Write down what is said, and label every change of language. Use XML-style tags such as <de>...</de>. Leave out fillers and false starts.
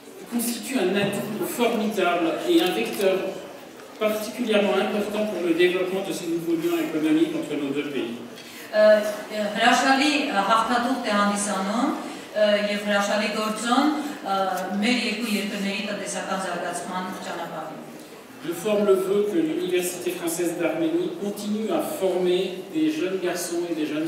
<fr>constitue un atout formidable et un vecteur particulièrement important pour le développement de ces nouveaux liens économiques entre nos deux pays.</fr> <hy>Հրաշալի հաղթադուկ է հանդիսանում եւ հրաշալի գործոն մեր երկու երկրների տնտեսական զարգացման ճանապարհին։</hy> <fr>Je forme le vœu que l'Université française d'Arménie continue à former des jeunes garçons et des jeunes</fr>